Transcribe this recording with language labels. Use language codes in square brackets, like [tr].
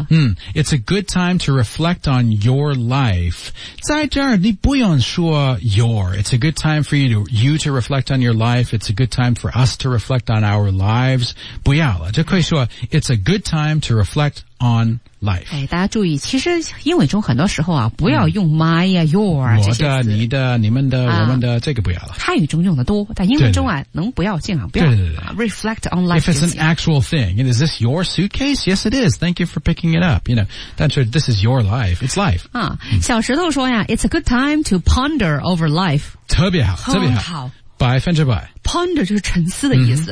[en] 嗯、It's a good time to reflect on your life. [zh] 在这儿你不用说 [en] your. It's a good time for you to reflect on your life. It's a good time for us to reflect on our lives. [zh] 不要了。就可以说 [en] It's a good time to reflect on life. [zh] 哎，大家注意，其实英文中很多时候啊，不要用 my 啊、your 啊这些词。我的、你的、你们的、我们的，这个不要了。汉语中用的多，但英文中啊，对对能不要尽量不要。对对对、 [en] 啊、reflect on life. If it's an actual thing, and is this your suitcase? Yes, it is. Thank you for picking it up. You know, [zh] 但是 [en] this is your life. It's life. [zh] 啊，小石头说呀、嗯、， [en] It's a good time to ponder over life. [zh] 特别好，特别好。好百分之百。 Ponder 就是沉思的意思。